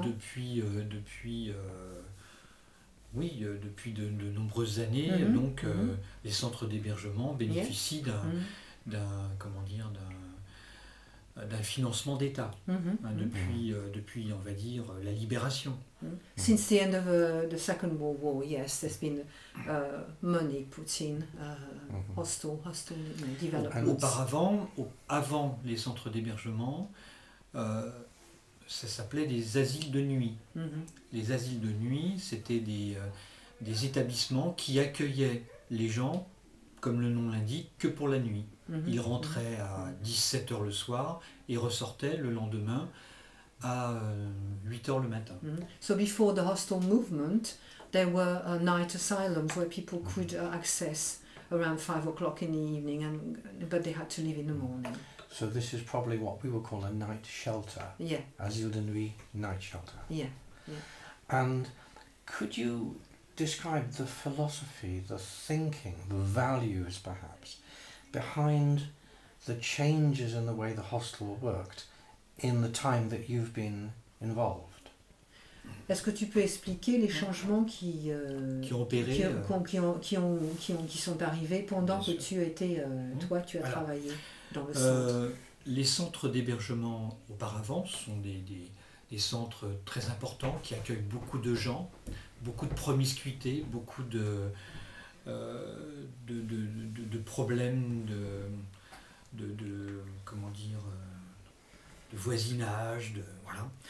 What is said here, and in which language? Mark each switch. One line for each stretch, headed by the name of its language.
French: Depuis de nombreuses années, mm-hmm, donc mm-hmm, les centres d'hébergement bénéficient, yes, d'un, mm-hmm, d'un, comment dire, d'un financement d'État, mm-hmm, hein, depuis, mm-hmm, depuis, on va dire, la libération. Mm-hmm.
English: Since the end of the Second World War, yes, there's been money put in, mm-hmm, hostel development.
French: Auparavant, avant les centres d'hébergement, ça s'appelait des asiles de nuit. Mm-hmm. Les asiles de nuit, c'était des établissements qui accueillaient les gens, comme le nom l'indique, que pour la nuit. Mm-hmm. Ils rentraient, mm-hmm, à 17h le soir et ressortaient le lendemain à 8h le matin. Mm-hmm.
English: So before the hostel movement, there were night asylums where people could access around 5 o'clock in the evening, and but they had to leave in the morning. So this is probably what we would call a night shelter. Yeah.
French: Asile de nuit,
English: night shelter. Yeah, yeah. And could you describe the philosophy, the thinking, the values perhaps, behind the changes in the way the hostel worked in the time that you've been involved?
French: Est-ce que tu peux expliquer les changements qui sont arrivés pendant que tu étais, toi, tu as voilà, travaillé? Les centres d'hébergement auparavant sont des centres très importants qui accueillent beaucoup de gens, beaucoup de promiscuité, beaucoup de problèmes de comment dire, de voisinage, de voilà.